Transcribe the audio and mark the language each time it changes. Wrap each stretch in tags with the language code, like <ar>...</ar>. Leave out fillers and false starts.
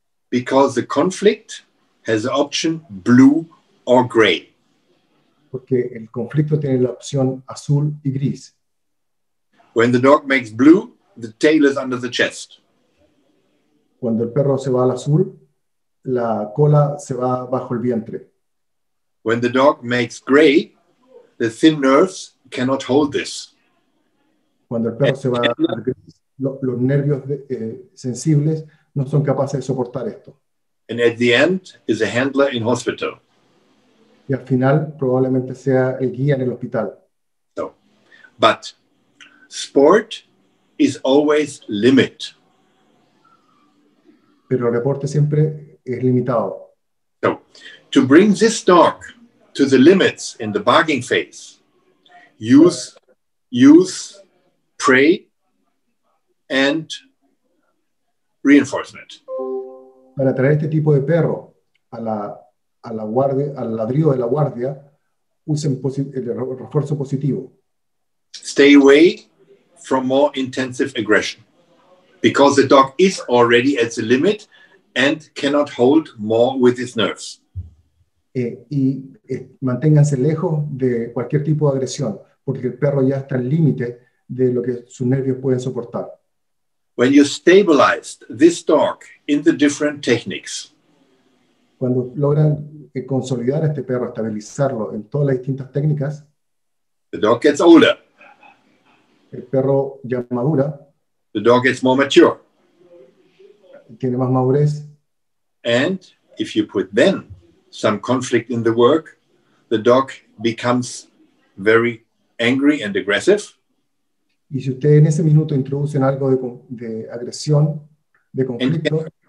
<en>Because the conflict has the option blue or gray.</en> <es>Porque el conflicto tiene la opción azul y gris.</es> <en>When the dog makes blue, the tail is under the chest.</en> <es>Cuando el perro se va al azul, la cola se va bajo el vientre.</es> <en>When the dog makes gray, the thin nerves cannot hold this.</en> <es>Cuando el perro se va al gris, los nervios sensibles no son capaces de soportar esto.</es> <en>And at the end is a handler in hospital.</en> <es>Y al final probablemente sea el guía en el hospital.</es> <en>No. But sport is always limit.</en> <es>Pero el deporte siempre es limitado.</es> <en>So, to bring this dog to the limits in the bargaining phase, use prey and reinforcement.</en> <es>Para traer este tipo de perro a la guardia, al ladrido de la guardia, usen el refuerzo positivo.</es> <en>Stay away from more intensive aggression because the dog is already at the limit and cannot hold more with his nerves.</en> <es>Y manténganse lejos de cualquier tipo de agresión porque el perro ya está al límite de lo que sus nervios pueden soportar.</es> <en>When you stabilized this dog in the different techniques,</en> <es>cuando logran consolidar a este perro, estabilizarlo en todas las distintas técnicas,</es> <en>the dog gets older.</en> <es>El perro ya madura.</es> <en>The dog gets more mature.</en> <es>Tiene más madurez.</es> <en>And if you put then some conflict in the work, the dog becomes very angry and aggressive.</en> <es>Y si usted en ese minuto introduce algo de agresión, de conflicto,</es>